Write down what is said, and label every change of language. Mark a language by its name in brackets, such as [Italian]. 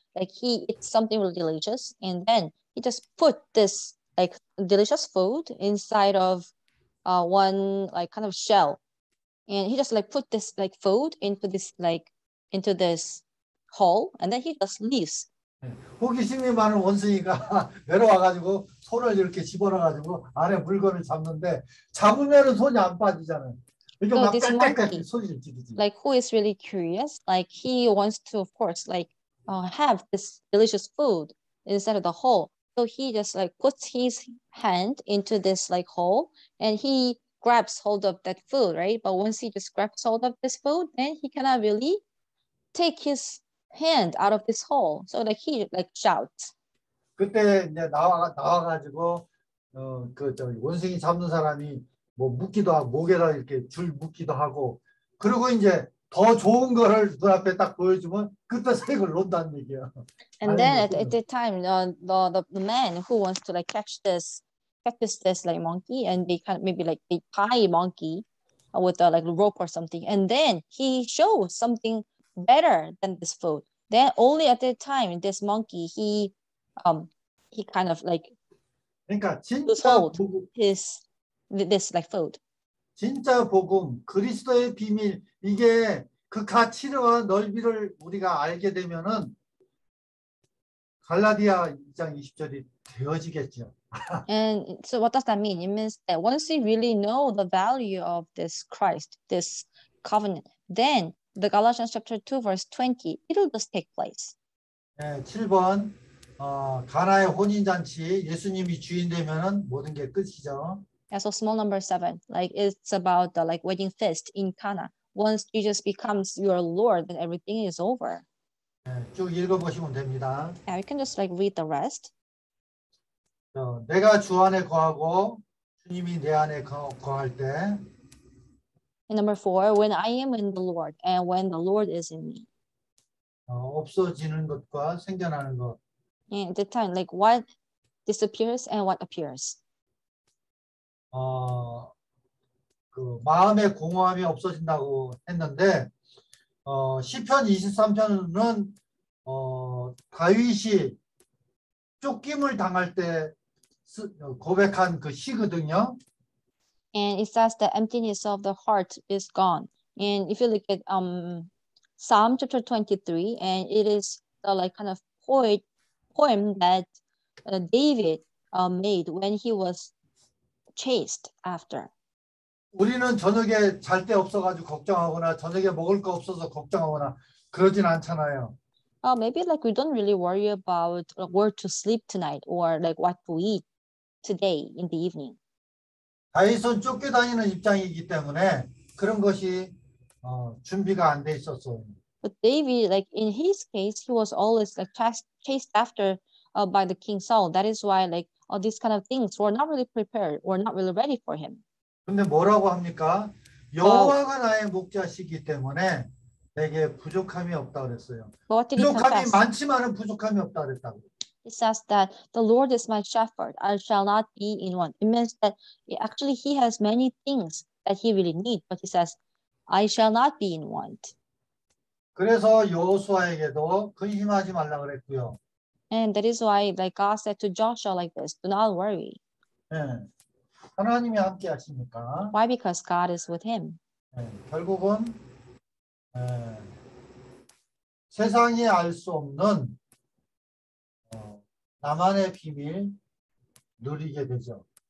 [English] Like he eats something really delicious and then he just put this like delicious food inside of one like kind of shell. And he just like put this like food into this like into this hole and then he just leaves. [Korean] 호기심이 많은 원숭이가 외로워 가지고 손을 이렇게 집어넣어 가지고 안에 물건을 잡는데 잡으면은 손이 안 빠지잖아요. [English] So this monkey, like who is really curious, like he wants to, of course, like have this delicious food inside of the hole. So he just like puts his hand into this like hole and he grabs hold of that food, right? But once he just grabs hold of this food, then he cannot really take his hand out of this hole. So like he like shouts. [Korean] 그때 이제 나와가지고 그 저기 원숭이 잡는 사람이 뭐 묶기도 하고 목에다 이렇게 줄 묶기도 하고 그리고 이제 더 좋은 거를 눈앞에 딱 보여주면 그때 색을 논다는 얘기야. [English] And then at the time the man who wants to like catch this like monkey and they can maybe like they tie monkey with a like rope or something and then he shows something better than this food. Then only at that time this monkey he kind of like [Korean] 그러니까 진짜 [English] his this like food. [Korean] 진짜 복음, 그리스도의 비밀 이게 그 가치와 넓이를 우리가 알게 되면은 갈라디아 2장 20절이 되어지겠죠. [English] And so what does that mean? It means that once we really know the value of this Christ, this covenant, then the Galatians chapter 2 verse 20 it'll just take place. [Korean] 네, 7번 가나의 혼인 잔치 예수님이 주인 되면은 모든 게 끝이죠. [English] Yeah, so small number 7, like it's about the like wedding feast in Cana. Once Jesus becomes your Lord, then everything is over. [Korean] 네, 쭉 읽어보시면 됩니다. [English] Yeah, we can just like read the rest. [Korean] 내가 주 안에 거하고 주님이 내 안에 거할 때. [English] And number 4, when I am in the Lord and when the Lord is in me. [Korean] 없어지는 것과 생겨나는 것. [English] And at the time, like what disappears and what appears. [Korean] 그 마음의 공허함이 없어진다고 했는데 시편 23편은 다윗이 쫓김을 당할 때 고백한 그 시거든요. [English] And it says the emptiness of the heart is gone. And if you look at Psalm chapter 23 and it is the like kind of poem that David made when he was chased after. [Korean] 우리는 저녁에 잘 데 없어가지고 걱정하거나 저녁에 먹을 거 없어서 걱정하거나 그러진 않잖아요. [English] Maybe like we don't really worry about where to sleep tonight or like what to eat today in the evening. [Korean] 다윗은 쫓겨다니는 입장이기 때문에 그런 것이 준비가 안 돼 있었어요. [English] But David, like in his case, he was always like chased after by the king Saul. That is why like all these kind of things were not really prepared, were not really ready for him. [Korean] 근데 뭐라고 합니까? 여호와가 나의 목자시기 때문에 내게 부족함이 없다 그랬어요. 부족함이 많지만은 부족함이 없다 그랬다고. [English] He says that the Lord is my shepherd; I shall not be in want. It means that actually he has many things that he really needs, but he says, "I shall not be in want." [Korean] 그래서 여호수아에게도 근심하지 말라 그랬고요. [English] And that is why, like God said to Joshua, like this, do not worry. [Korean] 네. 하나님이 함께 하십니까? [English] Why? Because God is with him. [Korean] 네, 결국은 네, 세상이 알 수 없는 나만의 비밀 누리게 되죠.